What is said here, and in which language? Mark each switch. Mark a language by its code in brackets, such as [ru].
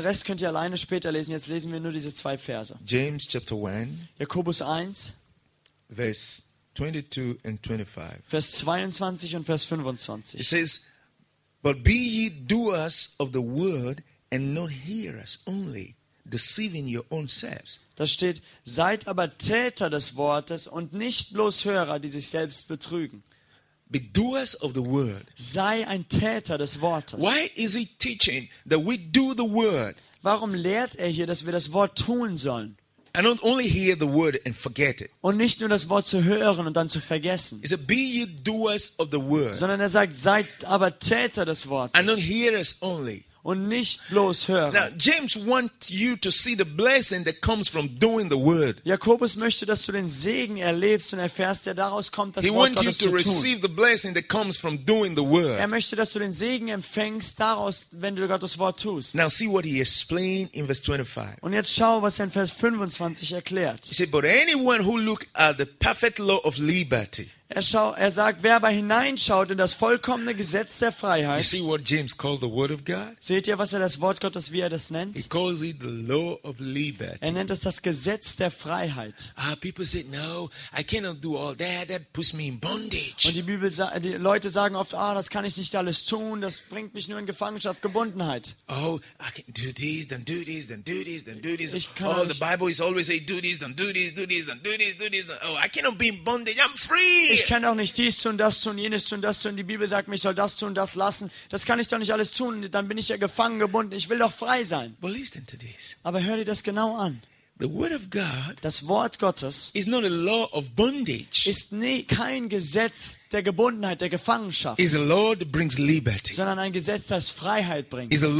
[de] Den Rest könnt ihr alleine später lesen. Jetzt lesen wir nur diese zwei Verse. [en] James chapter 1. [de] Jakobus 1. [en] Vers 22 and 25. [de] Vers 22 und Vers 25. [en] It says, But be ye doers of the word and not hearers only, deceiving your own selves. [de] Da steht, seid aber Täter des Wortes und nicht bloß Hörer, die sich selbst betrügen. [en] Be doers of the word. [de] Sei ein Täter des Wortes. [en] Why is he teaching that we do the word? [de] Warum lehrt er hier, dass wir das Wort tun sollen? [en] And not only hear the word and forget it. [de] Und nicht nur das Wort zu hören und dann zu vergessen. [en] He said, "Be ye doers of the word." [de] Sondern er sagt, seid aber Täter des Wortes. [en] And not hearers only. [de] und nicht bloß hören. [en] Now, James wants you to see the blessing that comes from doing the word. [de] Jakobus möchte, dass du den Segen erlebst und erfährst, der daraus kommt, das Wort Gottes zu tun. [en] He wants you to receive the blessing that comes from doing the word. [de] Er möchte, dass du den Segen empfängst daraus, wenn du Gottes Wort tust. [en] Now see what he explained in verse 25. [de] Und jetzt schau, was er in Vers 25 erklärt. [en] He said, but anyone who look at the perfect law of liberty. [de] Er sagt, wer aber hineinschaut in das vollkommene Gesetz der Freiheit. [en] You see what James called the word of God? [de] Seht ihr, was er das Wort Gottes, wie er das nennt? [en] He calls it the law of liberty. [de] Er nennt es das Gesetz der Freiheit. [en] People say, no, I cannot do all that. That puts me in bondage. [de] Und die Leute sagen oft, das kann ich nicht alles tun. Das bringt mich nur in Gefangenschaft, Gebundenheit. [en] Oh, I can do this, then do this, then do this, then do this. The Bible is always say, do this, then do this, do this, then do this, do this. Oh, I cannot be in bondage. I'm free. [de] Ich kann auch nicht dies tun, das tun, jenes tun, das tun. Die Bibel sagt mir, ich soll das tun, das lassen. Das kann ich doch nicht alles tun. Dann bin ich ja gefangen, gebunden. Ich will doch frei sein. Aber hör dir das genau an. Das Wort Gottes ist kein Gesetz der Gebundenheit, der Gefangenschaft, sondern ein Gesetz, das Freiheit bringt.